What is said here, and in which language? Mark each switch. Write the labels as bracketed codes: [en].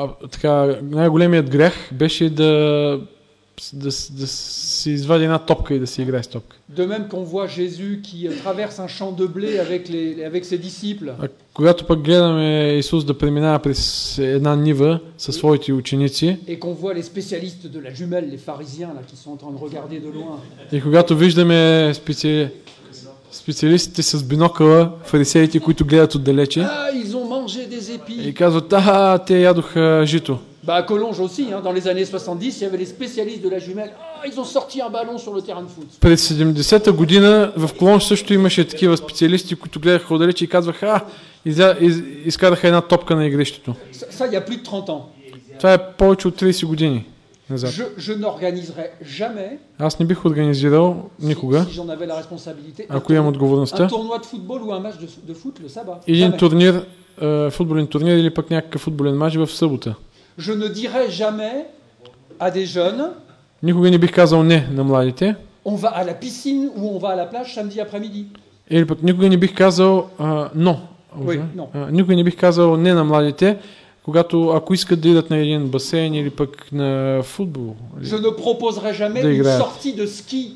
[bg] Така най-големият грех беше да си извади една топка и да си играе с топка. [fr] De même qu'on voit Jésus qui traverse un champ de blé avec ses disciples. [bg] Когато пък гледаме Исус да преминава през една нива със своите ученици. [fr] Et qu'on voit les spécialistes de la jumelle, les pharisiens là qui sont en train de regarder de loin. [bg] И когато виждаме специалистите с бинокъла, фарисеите, които гледат отдалече. [fr] Ils ont mangé des épices. [bg] И казват: "А, те ядоха жито." [fr] Bah, à Collonges aussi, hein, dans les années 70, il y avait les spécialistes de la jumelle. Ah, ils ont sorti un ballon sur le terrain de foot. [bg] През 70-та година в Колонж също имаше такива специалисти, които гледаха отдалече и казваха: изкараха една топка на игрището. [fr] Ça, il y a plus de 30 ans. [bg] Това е повече от 30 години назад. [fr] Je n'organiserai jamais. [bg] Аз не бих организирал никога. [fr] Si j'en avais la responsabilité. [bg] Ако имам отговорността. [fr] Un tournoi de football ou un match de foot le sabbat. [bg] Един турнир, футболен турнир или пък някакъв футболен мач в събота. [fr] Je ne dirai jamais à des jeunes. [bg] Никога не бих казал не на младите. [fr] On va à la piscine ou on va à la plage samedi après-midi. [bg] Или пък никога не бих казал non. [fr] Oui, non. [bg] Никога не бих казал не на младите, когато ако искат да идат на един басейн или пък на футбол. [fr] Je ne proposerai jamais да une sortie de ski.